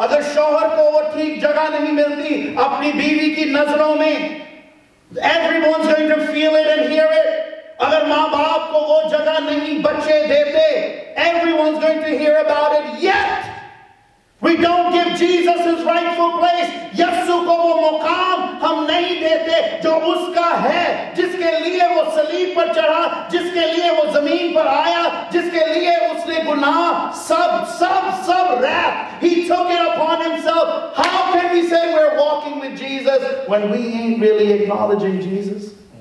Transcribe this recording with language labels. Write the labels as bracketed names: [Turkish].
[Hindi] अगर शौहर को वो ठीक जगह नहीं मिलती अपनी बीवी की नजरों में, [English] everyone's going to feel it and hear it. [Hindi] अगर माँ बाप को वो जगह नहीं बच्चे देते, [English] everyone's going to hear about it. Yet we don't give Jesus his rightful place. [Hindi] यीशु को वो मुकाम हम नहीं देते जो उसका है, जिसके लिए वो सलीब पर चढ़ा, जिसके लिए वो जमीन पर आया, जिसके लिए उसने गुनाह सब सब सब rap. [English] He took it upon himself. How can we say we're walking with Jesus when we ain't really acknowledging Jesus?